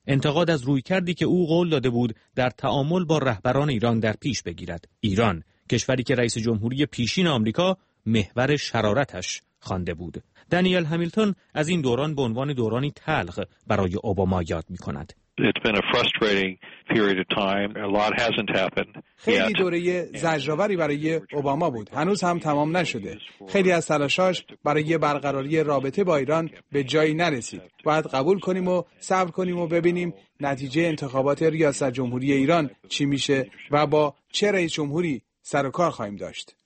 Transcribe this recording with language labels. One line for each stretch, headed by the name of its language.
Persian: انتقاد از رویکردی که او قول داده بود در تعامل با رهبران ایران در پیش بگیرد. ایران، کشوری که رئیس جمهوری پیشین آمریکا محور شرارتش خوانده بود. دانیل همیلتون از این دوران به عنوان دورانی تلخ برای اوباما یاد می‌کند.
English: It's been a frustrating period of time. A lot hasn't happened.
Persian: خیلی دوره زجرآوری برای اوباما بود. هنوز هم تمام نشده. خیلی از تلاشاش برای برقراری رابطه با ایران به جایی نرسید. باید قبول کنیم و صبر کنیم و ببینیم نتیجه انتخابات ریاست جمهوری ایران چی میشه و با چه رئیس جمهوری سر و کار خواهیم داشت.